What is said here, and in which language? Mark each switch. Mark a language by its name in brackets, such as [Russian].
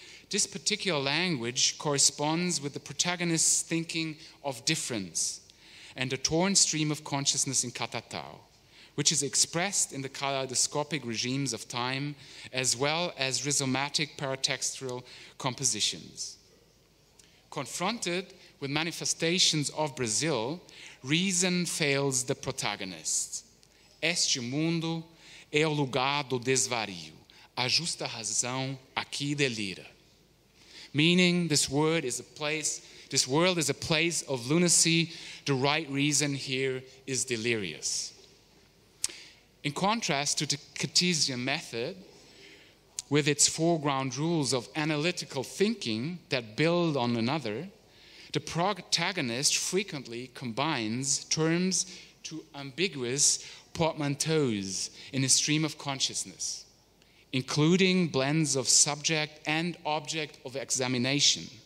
[English] This particular language corresponds with the protagonist's thinking of difference and the torn stream of consciousness in Catatau, which is expressed in the kaleidoscopic regimes of time as well as rhizomatic paratextual compositions. Confronted with manifestations of Brazil, reason fails the protagonist. [Portuguese] Este mundo é o lugar do desvario. A justa razão aqui delira. [English] Meaning, this world is a place of lunacy, the right reason here is delirious. In contrast to the Cartesian method, with its foreground rules of analytical thinking that build on another, the protagonist frequently combines terms to ambiguous portmanteaus in a stream of consciousness, including blends of subject and object of examination.